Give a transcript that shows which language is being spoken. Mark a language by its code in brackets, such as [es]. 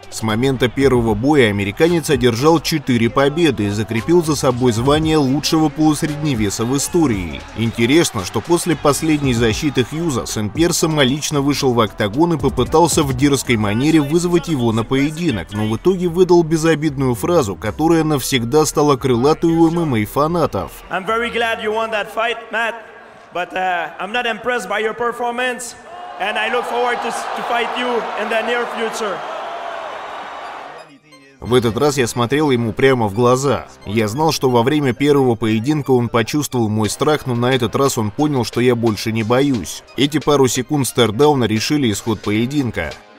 [ru] С момента первого боя американец одержал 4 победы и закрепил за собой звание лучшего полусредневеса в истории. Интересно, что после последней защиты Хьюза Сен-Пьер самолично вышел в октагон и попытался в дерзкой манере вызвать его на поединок, но в итоге выдал безобидную фразу, которая навсегда стала крылатой у ММА-фанатов. [en] I'm very glad you won that fight, Matt, but I'm not impressed by your performance. And I look forward to fight you in the near future. [ru] В этот раз я смотрел ему прямо в глаза. Я знал, что во время первого поединка он почувствовал мой страх, но на этот раз он понял, что я больше не боюсь. Эти пару секунд стердауна решили исход поединка.